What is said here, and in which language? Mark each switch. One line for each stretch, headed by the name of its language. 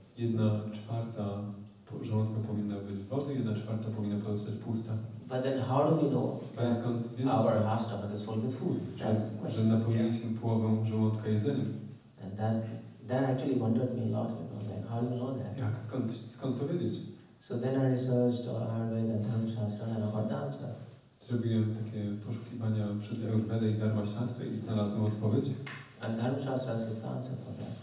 Polish: Jedna czwarta żołądka powinna być wody, jedna czwarta powinna pozostać pusta.
English: But then how do we know that our half stomach is full with food? That's the question.
Polish: Połową żołądka jedzeniem.
English: And that actually wondered me a lot, you know, like how do you know that?
Polish: Jak, skąd to wiedzieć?
English: So then I researched Ayurveda and Dharma Shastra and I got the answer.
Polish: Zrobiłem takie poszukiwania przez Ayurvedę i Dharma Shastra i znalazłem odpowiedź.
English: And Dharma Shastra has got the answer for that.